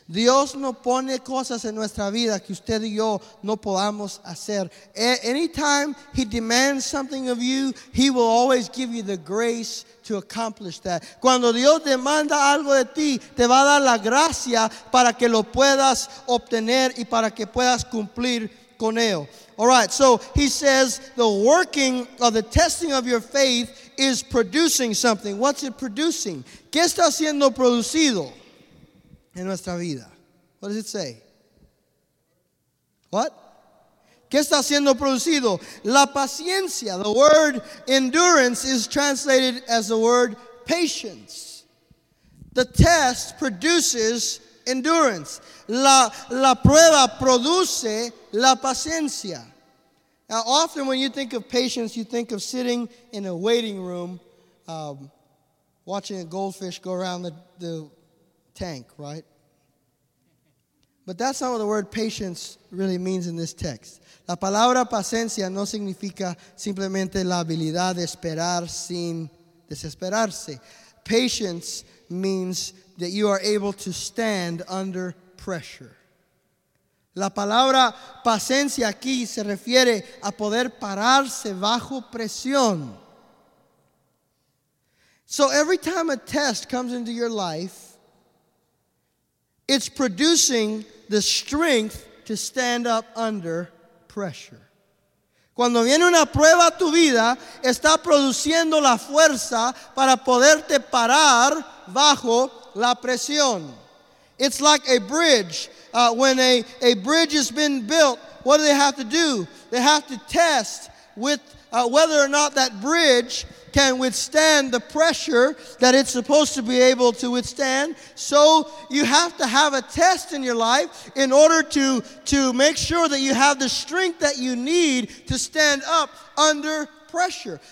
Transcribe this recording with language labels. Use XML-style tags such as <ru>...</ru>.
<es>Dios no pone cosas en nuestra vida que usted y yo no podamos hacer.</es> <en>Anytime he demands something of you, he will always give you the grace to accomplish that.</en> <es>Cuando Dios demanda algo de ti, te va a dar la gracia para que lo puedas obtener y para que puedas cumplir con él.</es> <en>All right, so he says the working of the testing of your faith is producing something. What's it producing?</en> <es>¿Qué está siendo producido en nuestra vida?</es> <en>What does it say? What?</en> <es>¿Qué está siendo producido? La paciencia.</es> <en>The word endurance is translated as the word patience. The test produces endurance.</en> <es>La prueba produce la paciencia.</es> <en>Now, often when you think of patience, you think of sitting in a waiting room watching a goldfish go around the tank, right? But that's not what the word patience really means in this text.</en> <es>La palabra paciencia no significa simplemente la habilidad de esperar sin desesperarse.</es> <en>Patience means that you are able to stand under pressure.</en> <es>La palabra paciencia aquí se refiere a poder pararse bajo presión.</es> <en>So every time a test comes into your life, it's producing the strength to stand up under pressure.</en> <es>Cuando viene una prueba a tu vida, está produciendo la fuerza para poderte parar bajo la presión.</es> <en>It's like a bridge. When a bridge has been built, what do they have to do? They have to test with whether or not that bridge can withstand the pressure that it's supposed to be able to withstand. So you have to have a test in your life in order to make sure that you have the strength that you need to stand up under pressure.</en>